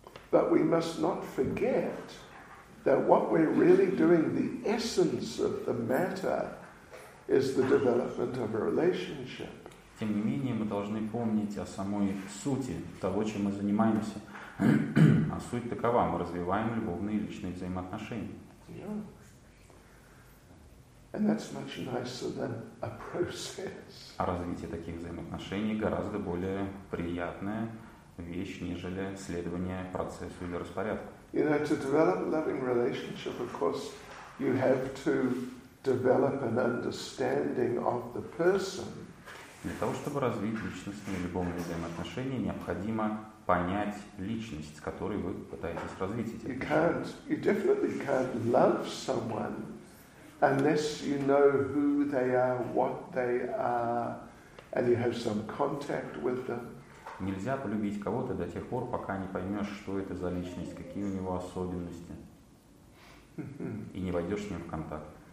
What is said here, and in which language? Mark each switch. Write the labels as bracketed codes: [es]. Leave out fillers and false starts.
[en] But we must not forget that what we're really doing, the essence of the matter, is the development of a relationship. [ru] Тем не менее, мы должны помнить о самой сути того, чем мы занимаемся. А суть такова, мы развиваем любовные и личные взаимоотношения. [en] Yeah. And that's much nicer than a process. [ru] А развитие таких взаимоотношений гораздо более приятное вещь, нежели следование процессу или распорядку. [en] You know, to develop a loving relationship, of course, you have to develop an understanding of the person. [ru] Для того, чтобы развить личностные любовные взаимоотношения, необходимо понять личность, с которой вы пытаетесь развить эти отношения. [en] You definitely can't love someone unless you know who they are, what they are, and you have some contact with them. [ru] Нельзя полюбить кого-то до тех пор, пока не поймешь, что это за личность, какие у него особенности, и не войдешь с ним в контакт.